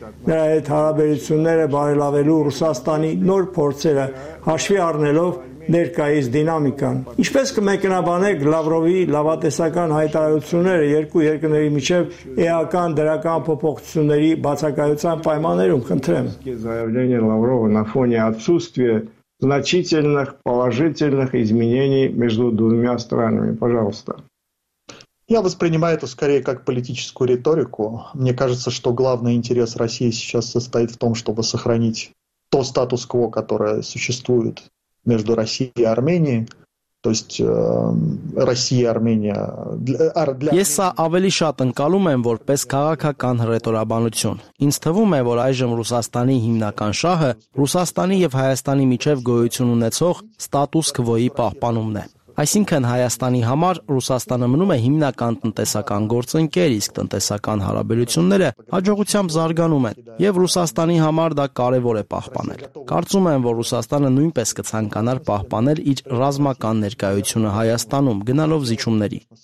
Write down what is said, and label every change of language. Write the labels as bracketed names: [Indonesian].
[Armenian] նրա հետ հարաբերությունները բարելավելու Ռուսաստանի նոր փորձերը, հաշվի առնելով ներկայիս դինամիկան։ Ինչպես կմեկնաբանեք Լավրովի լավատեսական հայտարարությունները երկու երկրների միջև էական դրական փոփոխությունների բացակայության պայմաններում, խնդրեմ։ [Russian] Значительных положительных изменений между двумя странами, пожалуйста. Я воспринимаю это скорее как политическую риторику. Мне кажется, что главный интерес России сейчас состоит в том, чтобы сохранить то статус-кво, которое существует между Россией и Арменией. То есть Россия и Армения [Armenian] для Ես ավելի շատ ընկալում եմ որպես քաղաքական ռետորաբանություն։ Ինձ թվում է, որ այժմ Ռուսաստանի հիմնական շահը Ռուսաստանի եւ Հայաստանի միջև գոյություն ունեցող ստատուս քվոյի պահպանումն է։ Այսինքն Հայաստանի համար Ռուսաստանը մնում է հիմնական տնտեսական գործընկեր, իսկ տնտեսական հարաբերությունները հաջողությամբ զարգանում են, և Ռուսաստանի համար դա կարևոր է պահպանել։ Կարծում եմ, որ Ռուսաստանը նույնպես կցանկանար պահպանել իր ռազմական ներկայությունը Հայաստանում գնալով զիջումների։